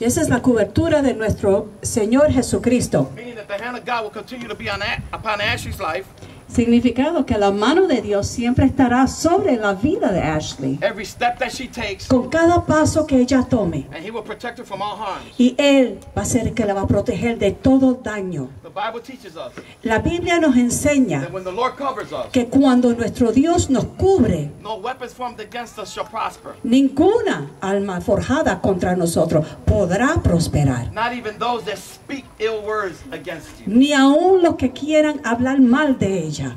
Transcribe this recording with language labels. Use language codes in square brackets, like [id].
[es] Y esa es la cobertura de nuestro Señor Jesucristo. [en] Meaning that the hand of God will continue to be upon Ashley's life. [es] Significado que la mano de Dios siempre estará sobre la vida de Ashley. [en] Every step that she takes, [es] con cada paso que ella tome. [en] And he will protect her from all harms. [es] Y él va a ser el que la va a proteger de todo daño. [en] The Bible teaches us, [es] la Biblia nos enseña [en] that when the Lord covers us, [es] que cuando nuestro Dios nos cubre, [en] no weapons formed against us shall prosper. [es] Ninguna alma forjada contra nosotros podrá prosperar. [en] Not even those that speak ill words against you. [es] Ni aun los que quieran hablar mal de él.